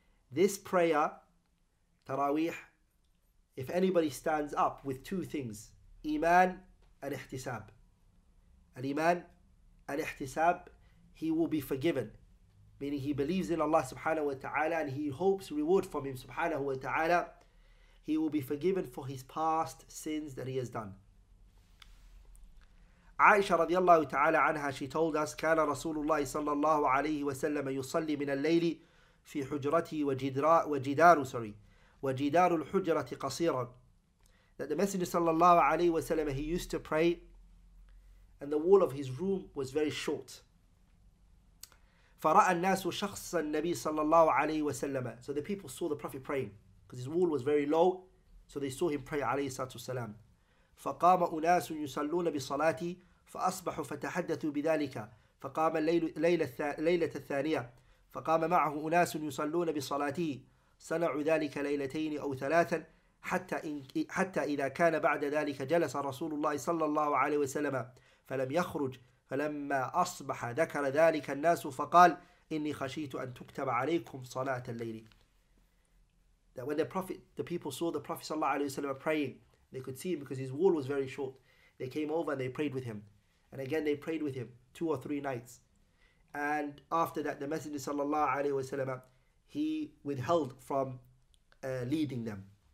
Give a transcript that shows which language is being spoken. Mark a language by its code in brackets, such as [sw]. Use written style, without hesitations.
[en] This prayer, Tarawih, if anybody stands up with two things, Iman and Ihtisab. Al-Iman and Ihtisab, he will be forgiven. Meaning he believes in Allah subhanahu wa ta'ala and he hopes reward from him subhanahu wa ta'ala. He will be forgiven for his past sins that he has done. Aisha radiallahu ta'ala anha, she told us, [ar] كان رسول الله صلى الله عليه وسلم يصلي من الليل في حجرته وجدار الحجرة قصيرا. [en] That the Messenger صلى الله عليه وسلم, he used to pray and the wall of his room was very short. [ar] فرأى الناس شخص النبي صلى الله عليه وسلم. [en] So the people saw the Prophet praying because his wall was very low, so they saw him pray عليه الصلاة والسلام. [ar] فقام أناس يصلون بصلاتي فأصبحوا فتحدثوا بذلك. فقام ليلة الثانية فقام معه أناس يصلون بصلاتي صنعوا ذلك ليلتين أو ثلاثا حتى إذا كان بعد ذلك جلس رسول الله صلى الله عليه وسلم فلم يخرج. فلما أصبح ذكر ذلك الناس فقال إني خشيت أن تكتب عليكم صلاة الليل. [en] That when the people saw the Prophet صلى الله عليه وسلم praying, they could see him because his wall was very short. They came over and they prayed with him. And again they prayed with him two or three nights. And after that, the Messenger صلى الله عليه وسلم, he withheld from leading them.